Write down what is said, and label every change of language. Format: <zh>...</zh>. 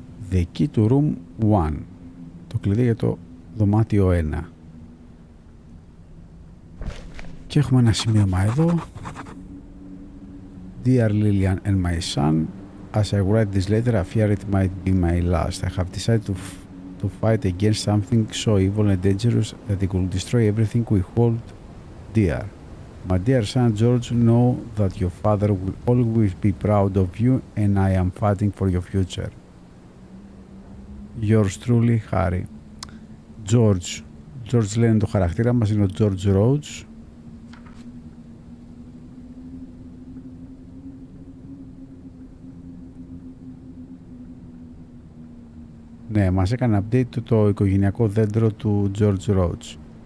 <el>The key to room 1. Το κλειδί για το δωμάτιο 1. Και έχουμε ένα σημείωμα εδώ.</el> <en>Dear Lillian and my son, as I write this letter, I fear it might be my last. I have decided to fight against something so evil and dangerous that it could destroy everything we hold dear. My dear son George, know that your father will always be proud of you and I am fighting for your future. Yours truly, Harry. George.</en> <el>George λένε το χαρακτήρα μας, είναι ο George Rhodes. Ναι, μας έκανε update το οικογενειακό δέντρο του George Rhodes.</el>